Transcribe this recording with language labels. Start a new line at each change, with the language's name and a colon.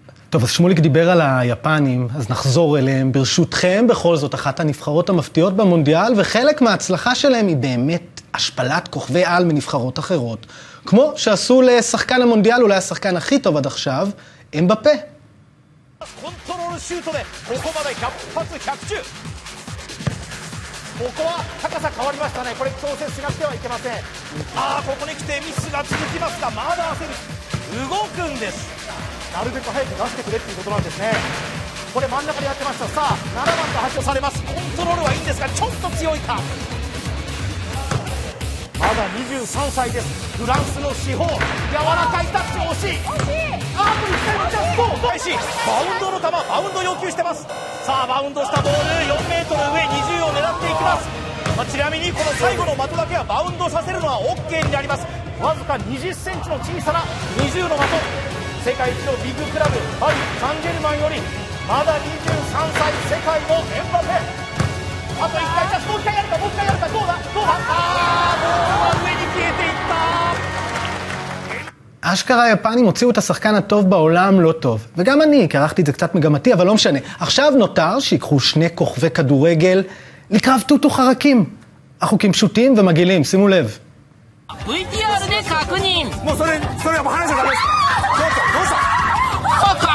Hebrew: טוב, אז שמוליק דיבר על היפנים, אז נחזור אליהם. ברשותכם, בכל זאת, אחת הנבחרות המפתיעות במונדיאל, וחלק מההצלחה שלהם היא באמת השפלת כוכבי על מנבחרות אחרות. כמו שעשו לשחקן המונדיאל, אולי השחקן הכי טוב עד עכשיו, אמבפה.
Japanese: コントロールシュートでここまで100発100中ここは高さ変わりましたねこれ調整しなくてはいけませんああここに来てミスが続きますがまだ焦る動くんですなるべく早く出してくれっていうことなんですねこれ真ん中でやってましたさあ7番と発射されますコントロールはいいんですがちょっと強いかまだ23歳ですフランスの至宝柔らかいタッチ惜しいバウンドの球バウンド要求してますさあバウンドしたボール4メートル上20を狙っていきます、まあ、ちなみにこの最後の的だけはバウンドさせるのは OK になりますわずか20センチの小さな20の的世界一のビッグクラブパリ・サンジェルマンよりまだ23歳世界のエンバペあと1回チャンスもう1回やるかもう1回やるかどうだどうだああボールは上に消えていった
Hebrew: אשכרה היפנים הוציאו את השחקן הטוב בעולם לא טוב. וגם אני, קרחתי את זה קצת מגמתי, אבל לא משנה. עכשיו נותר שיקחו שני כוכבי כדורגל לקרב טוטו חרקים. החוקים פשוטים ומגילים, שימו לב.
Japanese: VTR で確認. もうそれ、それはもう話が出ます。ちょっと、どうした?